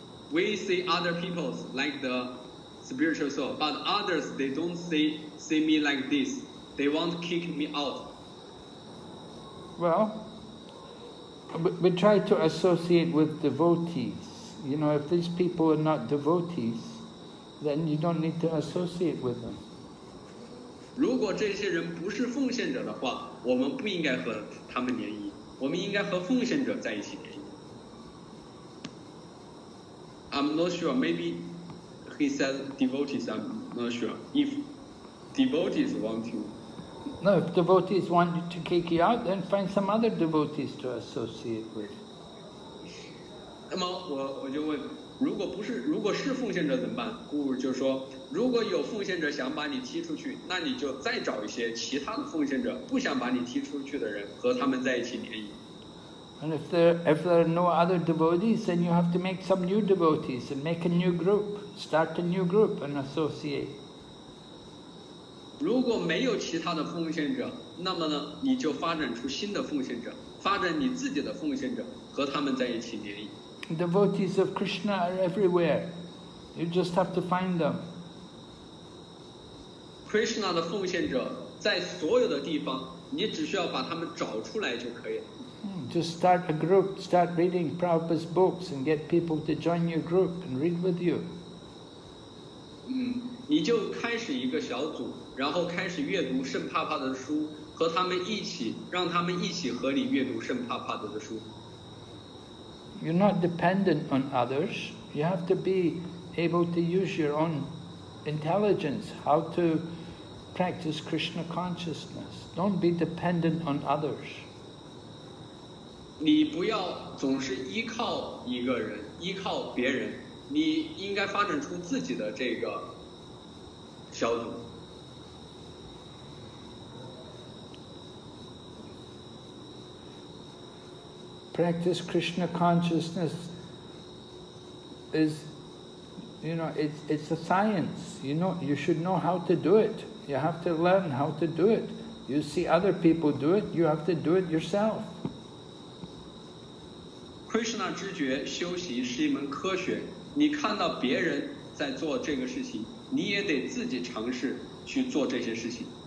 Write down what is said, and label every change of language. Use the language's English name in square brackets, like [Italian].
[English] We see other peoples like the spiritual soul, but others, they don't see me like this. They won't kick me out. Well, we try to associate with devotees. You know, if these people are not devotees, then you don't need to associate with them. [Chinese] 如果这些人不是奉献者的话，我们不应该和他们联谊，我们应该和奉献者在一起联谊。 [English] I'm not sure, maybe he said devotees, I'm not sure. If devotees want you. No, if devotees want you to kick you out, then find some other devotees to associate with. [Chinese] 那么我就问，如果是奉献者怎么办？故就说，如果有奉献者想把你踢出去，那你就再找一些其他的奉献者不想把你踢出去的人和他们在一起联谊。 [English] And if there are no other devotees, then you have to make some new devotees and make a new group, start a new group and associate. [Chinese] 如果没有其他的奉献者，那么呢，你就发展出新的奉献者，发展你自己的奉献者和他们在一起联谊。 [English] Devotees of Krishna are everywhere. You just have to find them. [Chinese] Krishna 的奉献者在所有的地方，你只需要把他们找出来就可以了。 [English] Just start a group, start reading Prabhupada's books and get people to join your group and read with you. [Chinese] 你就开始一个小组，然后开始阅读圣帕帕的书，和他们一起，让他们一起和你阅读圣帕帕的书。 [English] You're not dependent on others. You have to be able to use your own intelligence, how to practice Krishna consciousness. Don't be dependent on others. [Chinese] 你不要总是依靠一个人，依靠别人。你应该发展出自己的这个小组。 [English] Practice Krishna consciousness is, you know, it's a science. You know, you should know how to do it. You have to learn how to do it. You see other people do it, you have to do it yourself. [Chinese] Krishna 知觉修习是一门科学。你看到别人在做这个事情，你也得自己尝试去做这些事情。